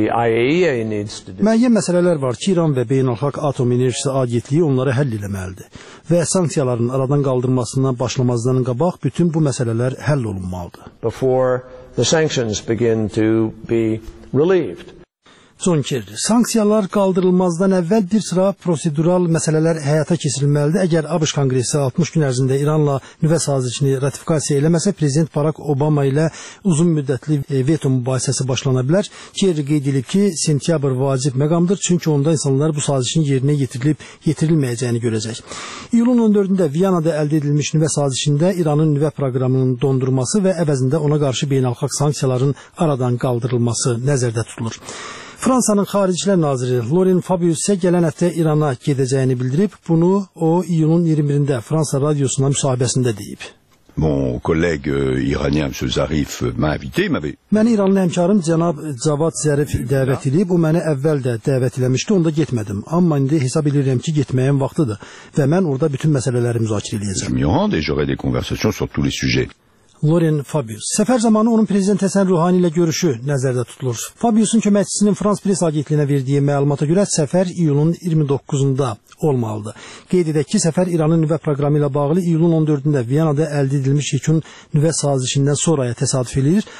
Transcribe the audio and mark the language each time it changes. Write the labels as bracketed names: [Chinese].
[Azerbaijani] Müəyyən məsələlər var ki, İran və Beynəlxalq Atom Enerjisi Agentliyi onları həll eləməlidir. Və sanksiyaların aradan qaldırılmasından başlamazdan qabaq bütün bu məsələlər həll olunmalıdır. [English] The sanctions begin to be relieved. [Azerbaijani] John Kerry, sanksiyalar qaldırılmazdan əvvəl bir sıra prosedural məsələlər həyata keçirilməlidir. Əgər ABŞ Konqresi 60 gün ərzində İranla nüvə sazişini ratifikasiya eləməsə, Prezident Barack Obama ilə uzun müddətli veto mübahisəsi başlana bilər. Kerry qeyd edib ki, sentyabr vacib məqamdır, çünki onda insanlar bu sazişin yerinə yetirilib yetirilməyəcəyini görəcək. İyulun 14-də Viyana'da əldə edilmiş nüvə sazişində İranın nüvə proqramının dondurması və əvəzində ona qarşı beynəlxalq sanksiyaların aradan qaldırılması nəzərdə tutulur. Fransanın xaricilər naziri Lorin Fabius isə gələn həftə İrana gedəcəyini bildirib, bunu o iyunun 21-də Fransa radiosuna müsahibəsində deyib. [French] Mon collègue iranien M. Zarif m'a invité, m'avait. [Azerbaijani] Məni İranlı həmkarım cənab Cavad Zərif dəvət edib, o məni əvvəl də dəvət eləmişdi, onda getmədim. Amma indi hesab edirəm ki, getməyim vaxtıdır və mən orada bütün məsələləri müzakirə edəcəm. [French] Yohande, j'aurai des conversations sur tous les sujets. [Azerbaijani] Lorin Fabius. Səfər zamanı onun prezident Həsən Ruhani ilə görüşü nəzərdə tutulur. Fabiusun köməkçisinin Frans Pres agentliyinə verdiyi məlumata görə səfər iyulun 29-unda olmalıdır. Qeyd edək ki, səfər İranın nüvə proqramı ilə bağlı iyulun 14-də Viyana'da əldə edilmiş yekun nüvə sazişindən sonraya təsadüf edir.